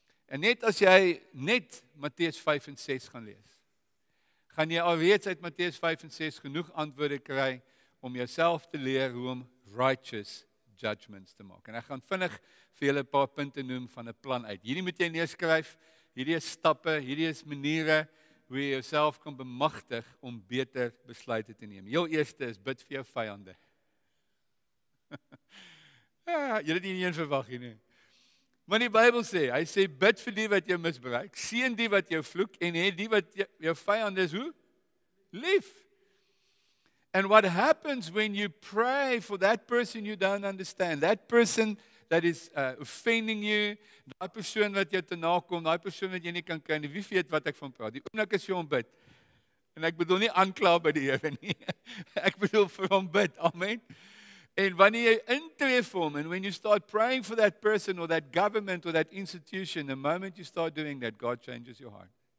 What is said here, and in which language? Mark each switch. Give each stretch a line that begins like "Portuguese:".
Afrikaans: En net as jy net Matteus 5 en 6 gaan lees, gaan jy alreeds uit Matteus 5 en 6 genoeg antwoorde kry om jouself te leer hoe om righteous judgments te maak. En ek gaan vinnig vir julle 'n paar punte noem van 'n plan uit. Hierdie moet jy neerskryf, hierdie is stappe, hierdie is maniere hoe jy jouself kan bemagtig om beter besluite te neem. Heel eerste is bid vir jou vijande. Jy het nie een verwag hier nie. Maar die Bybel sê, hy sê, bid vir die wat jou misbruik, seën die wat jou vloek, en hê die wat jou vijand is, hoe? Lief.
English: And what happens when you pray for that person you don't understand, that person that is offending you,
Afrikaans: die persoon wat jou te na kom, die persoon wat jy nie kan ken, wie weet wat ek van praat, die oomblik is jou om bid. En ek bedoel nie aankla by die Here nie, ek bedoel vir hom bid, amen. En wanneer jy intree vir hom,
English: and when you start praying for that person, or that government, or that institution, the moment you start doing that, God changes your heart.